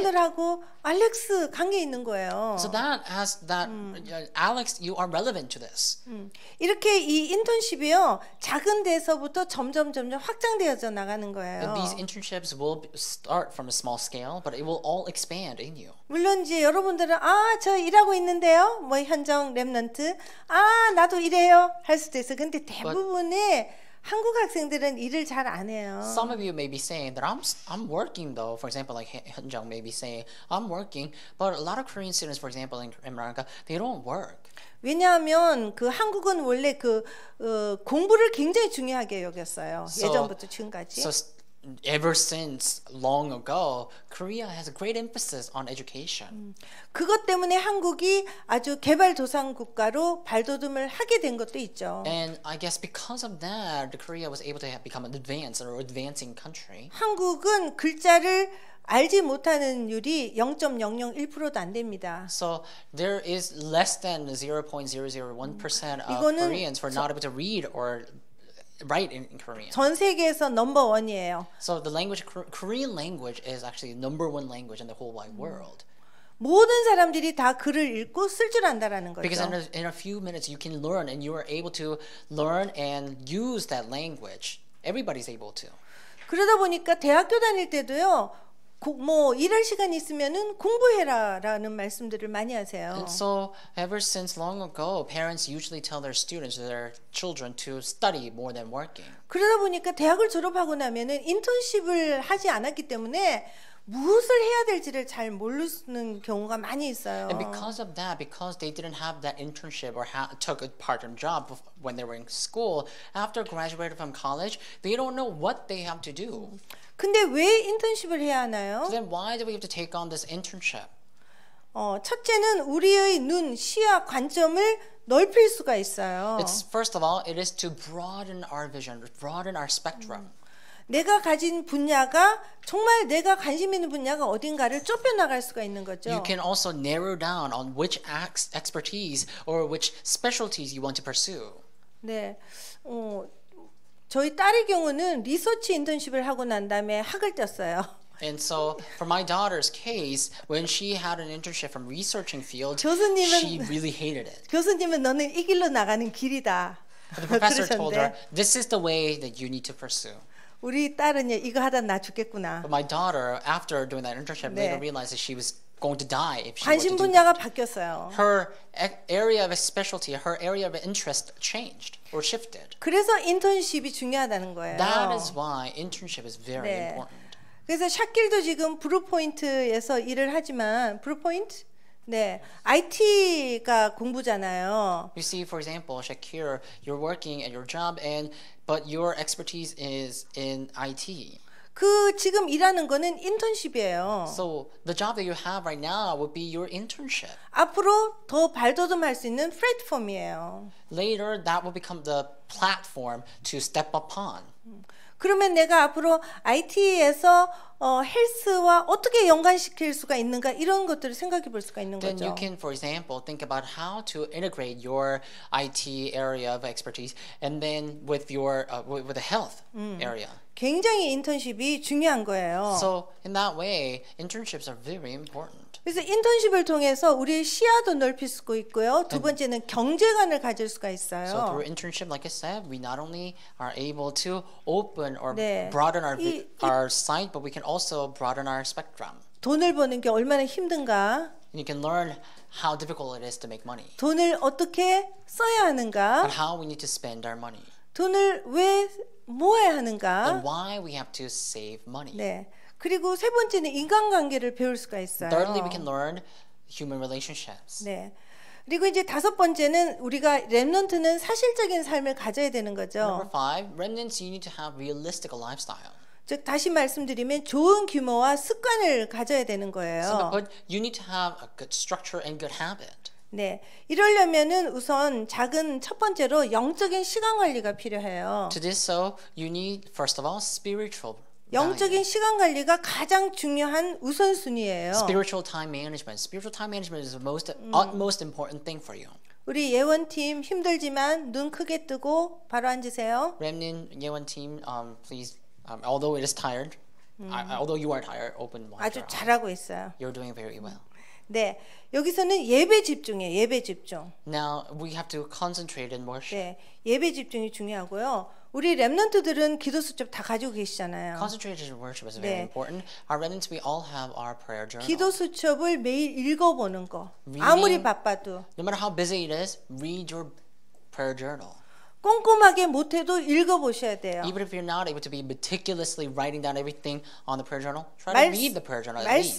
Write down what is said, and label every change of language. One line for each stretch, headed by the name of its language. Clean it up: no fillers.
Korean: 여러분들하고 알렉스 관계 있는 거예요.
English: So that has that. Alex, you are relevant to this.
Korean: 이렇게 이 인턴십이요 작은 데서부터 점점 확장되어져 나가는 거예요.
English: And these internships will start from a small scale, but it will all expand in you.
Korean: 물론 이제 여러분들은 저 일하고 있는데요, 뭐 현장 렘넌트, 나도 이래요 할 수도 있어. 근데 대부분의 한국 학생들은 일을 잘 안 해요.
English: Some of you may be saying that I'm working though. For example, like Hyunjung may be saying I'm working, but a lot of Korean students, for example, in America, they don't work.
Korean: 왜냐하면 그 한국은 원래 그 공부를 굉장히 중요하게 여겼어요.
English: So,
Korean: 예전부터 지금까지.
English: So ever since long ago, Korea has a great emphasis on education.
Korean: 그것 때문에 한국이 아주 개발도상 국가로 발돋움을 하게 된 것도 있죠.
English: And I guess because of that, Korea was able to become an advanced or advancing country.
Korean: 한국은 글자를 알지 못하는 율이 0.001%도 안 됩니다.
English: So there is less than 0.001% of Koreans who are not able to read or Right in Korean.
Korean: 전 세계에서 넘버 원이에요.
English: So the language Korean language is actually number one language in the whole wide world.
Korean: 모든 사람들이 다 글을 읽고 쓸 줄 안다라는 거죠.
English: Because in a few minutes you can learn and you are able to learn and use that language. Everybody's able to.
Korean: 그러다 보니까 대학교 다닐 때도요. 뭐 일할 시간 있으면은 공부해라라는 말씀들을 많이 하세요.
English: And so ever since long ago, parents usually tell their students, their children, to study more than working.
Korean: 그러다 보니까 대학을 졸업하고 나면은 인턴십을 하지 않았기 때문에 무엇을 해야 될지를 잘 모르는 경우가 많이 있어요.
English: And because of that, because they didn't have that internship or took a part-time job when they were in school, after graduating from college, they don't know what they have to do.
Korean: 근데 왜 인턴십을 해야 하나요?
English: So then why do we have to take on this internship?
Korean: 첫째는 우리의 눈, 시야, 관점을 넓힐 수가 있어요.
English: It's first of all, it is to broaden our vision, broaden our spectrum.
Korean: 내가 가진 분야가 정말 내가 관심 있는 분야가 어딘가를 좁혀 나갈 수가 있는 거죠.
English: You can also narrow down on which expertise or which specialties you want to pursue.
Korean: 네. 저희 딸의 경우는 리서치 인턴십을 하고 난 다음에 학을 떴어요.
English: And so for my daughter's case, when she had an internship from researching field,
Korean: 교수님은,
English: she really hated it.
Korean: 교수님은 너는 이 길로 나가는 길이다.
English: But the professor told her, this is the way that you need to pursue.
Korean: 우리 딸은요, 이거 하다 나 죽겠구나.
English: But my daughter, after doing that internship,
Korean: 네.
English: later realized that she was going to die if she.
Korean: 관심 분야가 바뀌었어요.
English: Her area of specialty, her area of interest changed or shifted.
Korean: 그래서 인턴십이 중요하다는 거예요.
English: That is why internship is very
Korean: 네.
English: important.
Korean: 그래서 샤킬도 지금 브루포인트에서 일을 하지만 브루포인트. 네, IT가 공부잖아요.
English: You see, for example, Shakir, you're working at your job, and but your expertise is in IT.
Korean: 그 지금 일하는 거는 인턴십이에요.
English: So the job that you have right now would be your internship.
Korean: 앞으로 더 발돋움할 수 있는 플랫폼이에요.
English: Later, that will become the platform to step upon.
Korean: 그러면 내가 앞으로 IT에서 헬스와 어떻게 연관시킬 수가 있는가 이런 것들을 생각해 볼 수가 있는
English: Then
Korean: 거죠.
English: Then you can, for example, think about how to integrate your IT area of expertise and then with your with the health area.
Korean: 굉장히 인턴십이 중요한 거예요.
English: So in that way, internships are very important.
Korean: 그래서 인턴십을 통해서 우리의 시야도 넓힐 수 있고요. 두 번째는 경제관을 가질 수가 있어요.
English: So through internship, like I said, we not only are able to open or
Korean: 네.
English: broaden our sight, but we can also broaden our spectrum.
Korean: 돈을 버는 게 얼마나 힘든가.
English: And you can learn how difficult it is to make money.
Korean: 돈을 어떻게 써야 하는가.
English: And how we need to spend our money.
Korean: 돈을 왜 모아야 하는가.
English: And why we have to save money.
Korean: 네. 그리고 세 번째는 인간관계를 배울 수가 있어요.
English: Thirdly, we can learn human relationships.
Korean: 네. 그리고 이제 다섯 번째는 우리가 렘넌트는 사실적인 삶을 가져야 되는 거죠.
English: Number five, remnants, you need to have realistic lifestyle.
Korean: 즉 다시 말씀드리면 좋은 규모와 습관을 가져야 되는 거예요.
English: So, but you need to have a good structure and good habit.
Korean: 네. 이러려면은 우선 작은 첫 번째로 영적인 시간 관리가 필요해요.
English: To do so, you need first of all spiritual
Korean: 영적인 시간 관리가 가장 중요한 우선순위예요.
English: Spiritual time management. Spiritual time management is the most utmost important thing for you.
Korean: 우리 예원 팀 힘들지만 눈 크게 뜨고 바로 앉으세요.
English: Remnant 예원 팀, please. Although it is tired, although you are tired, open one.
Korean: 아주 잘하고 있어요.
English: You're doing very well.
Korean: 네, 여기서는 예배 집중이에요. 예배 집중.
English: Now we have to concentrate in worship.
Korean: 네, 예배 집중이 중요하고요. 우리 렘넌트들은 기도 수첩 다 가지고 계시잖아요.
English: Concentration in worship is very important. Our remnants, we all have our prayer journal.
Korean: 기도 수첩을 매일 읽어보는 거. 아무리 바빠도.
English: No matter how busy it is, read your prayer journal.
Korean: 꼼꼼하게 못해도 읽어보셔야 돼요.
English: Even if you're not able to be meticulously writing down everything on the prayer journal, try to read the prayer journal at least.